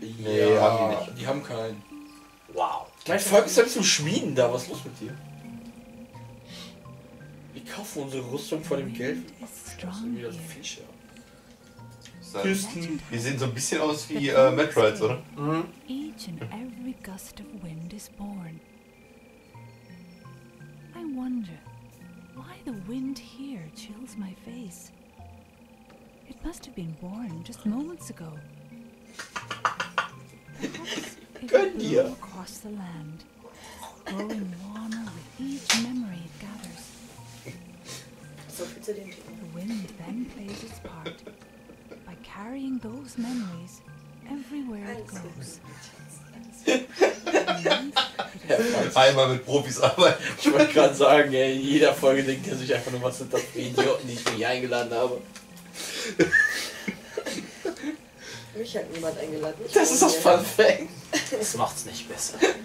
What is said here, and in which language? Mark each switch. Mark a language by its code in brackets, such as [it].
[de] Nee, ja, haben die nicht. Die haben keinen. Wow. Dein Volk ist ja zum Schmieden da, was ist los mit dir? Wir kaufen unsere Rüstung vor dem Geld. Das sind wieder so Fische. Wir sehen so ein bisschen aus wie Metroids, oder? [en] Each and every gust of wind is born. I wonder why the wind here chills my face. It must have been born just moments ago. [de] Gönn dir! [en] Across the land, growing warmer with each memory it gathers. The wind then plays its part by carrying those memories everywhere it goes. [de] Einmal mit Profis arbeiten. Ich wollte gerade sagen, ey, in jeder Folge denkt er sich einfach nur, was sind das für Idioten, die ich mich eingeladen habe. Mich hat niemand eingeladen. Ich das ist das Fun Fact. Das macht's nicht besser.